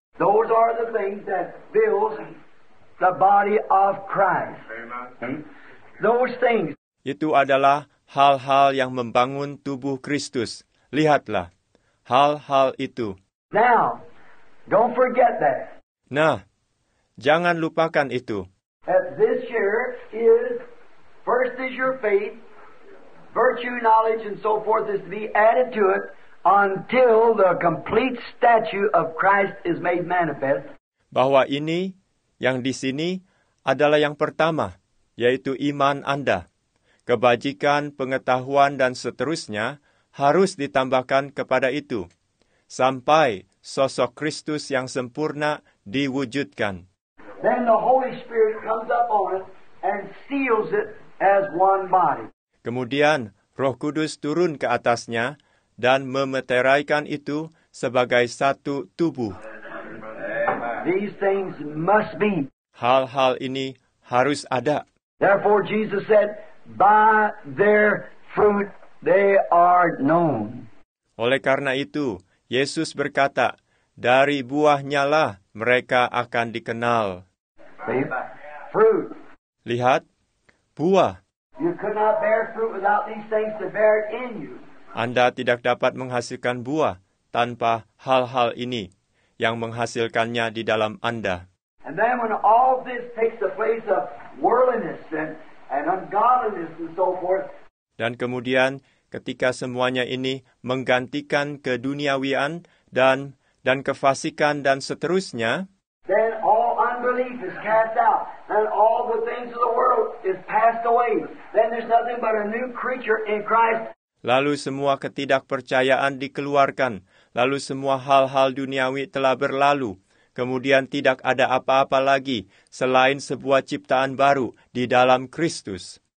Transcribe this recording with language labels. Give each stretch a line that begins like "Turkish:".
English: Those are the things that builds the body of Christ. Those things.
Indonesian: Itu adalah hal-hal yang membangun tubuh Kristus. Lihatlah, hal-hal itu.
English: Now, don't forget that.
Indonesian: Nah, jangan lupakan itu.
English: As this year is, first is your faith, virtue, knowledge, and so forth is to be added to it until the complete statue of Christ is made manifest.
Indonesian: Bahwa ini, yang di sini, adalah yang pertama, yaitu iman Anda. Kebajikan, pengetahuan, dan seterusnya harus ditambahkan kepada itu, sampai sosok Kristus yang sempurna diwujudkan.
English: Then the Holy Spirit comes up on it and seals it as one body.
Indonesian: Kemudian, Roh Kudus turun ke atasnya dan memeteraikan itu sebagai satu tubuh.
English: These things must be.
Indonesian: Hal-hal ini harus ada.
English: Therefore, Jesus said, by their fruit they are known.
Indonesian: Oleh karena itu, Yesus berkata, dari buahnya lah mereka akan dikenal.
English: Fruit.
Indonesian: Lihat, buah.
English: You could not bear fruit without these things to bear it in you.
Indonesian: Anda tidak dapat menghasilkan buah tanpa hal-hal ini yang menghasilkannya di dalam Anda.
English: And then when all this takes the place of worldliness and ungodliness and so forth.
Indonesian: Dan kemudian ketika semuanya ini menggantikan keduniawian dan kefasikan dan seterusnya,
English: then all unbelief is cast out and all the things of the world is passed away. Then there's nothing but a new creature in Christ.
Indonesian: Lalu semua ketidakpercayaan dikeluarkan. Lalu semua hal-hal duniawi telah berlalu. Kemudian tidak ada apa-apa lagi selain sebuah ciptaan baru di dalam Kristus.